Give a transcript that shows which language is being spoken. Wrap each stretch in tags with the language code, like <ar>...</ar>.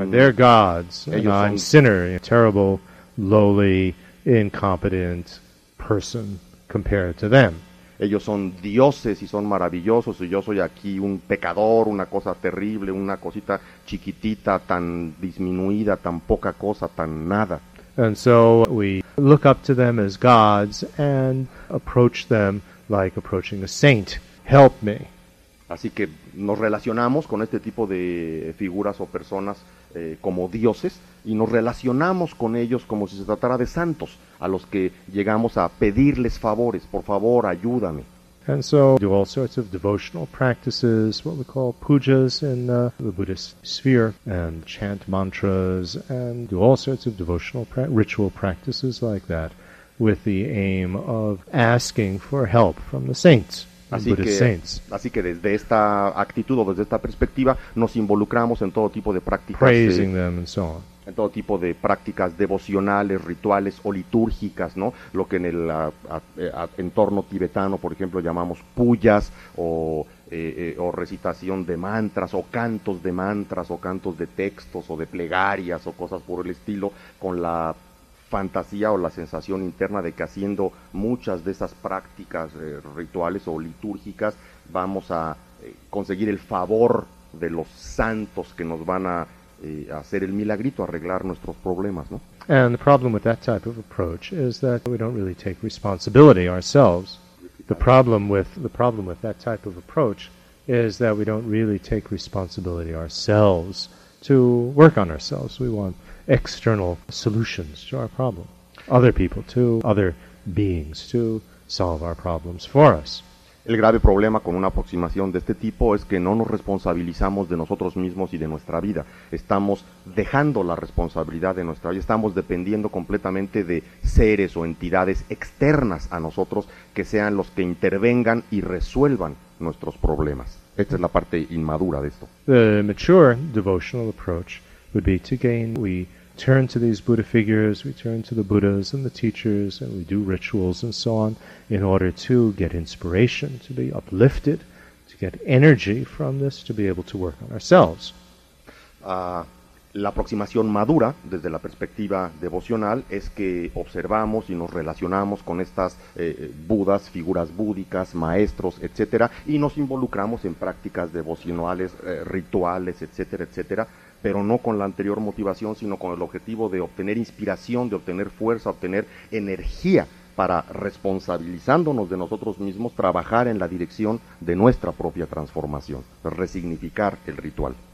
<en>Right, they're gods,</en> <es>ellos</es> <en>and I'm son... sinner, a terrible, lowly, incompetent person compared to them.</en> <es>Ellos son dioses y son maravillosos, y yo soy aquí un pecador, una cosa terrible, una cosita chiquitita, tan disminuida, tan poca cosa, tan nada.</es> <en>And so we look up to them as gods and approach them like approaching a saint. Help me.</en> <es>Así que nos relacionamos con este tipo de figuras o personas como dioses, y nos relacionamos con ellos como si se tratara de santos, a los que llegamos a pedirles favores. Por favor, ayúdame.</es> <en>And so do all sorts of devotional practices, what we call pujas in the Buddhist sphere, and chant mantras, and do all sorts of devotional ritual practices like that, with the aim of asking for help from the saints, the Buddhist saints.</en> <es>Así que desde esta actitud o desde esta perspectiva nos involucramos en todo tipo de prácticas,</es> <en>praising them and so on.</en> <es>En todo tipo de prácticas devocionales, rituales o litúrgicas, ¿no? Lo que en el entorno tibetano, por ejemplo, llamamos puyas o recitación de mantras o cantos de mantras o cantos de textos o de plegarias o cosas por el estilo, con la fantasía o la sensación interna de que haciendo muchas de esas prácticas rituales o litúrgicas vamos a conseguir el favor de los santos que nos van a hacer el milagrito, arreglar nuestros problemas, ¿no?</es> <en>And the problem with that type of approach is that we don't really take responsibility ourselves. The problem with that type of approach is that we don't really take responsibility ourselves to work on ourselves. We want external solutions to our problem, other people, to other beings, to solve our problems for us.</en> <es>El grave problema con una aproximación de este tipo es que no nos responsabilizamos de nosotros mismos y de nuestra vida. Estamos dejando la responsabilidad de nuestra vida. Estamos dependiendo completamente de seres o entidades externas a nosotros que sean los que intervengan y resuelvan nuestros problemas. Esta es la parte inmadura de esto.</es> <en>The mature devotional approach would be to gain, we turn to these Buddha figures, we turn to the Buddhas and the teachers, and we do rituals and so on in order to get inspiration, to be uplifted, to get energy from this, to be able to work on ourselves.</en> <es>La aproximación madura, desde la perspectiva devocional, es que observamos y nos relacionamos con estas budas, figuras búdicas, maestros, etcétera, y nos involucramos en prácticas devocionales, rituales, etcétera, etcétera, pero no con la anterior motivación, sino con el objetivo de obtener inspiración, de obtener fuerza, obtener energía para, responsabilizándonos de nosotros mismos, trabajar en la dirección de nuestra propia transformación, resignificar el ritual.</es>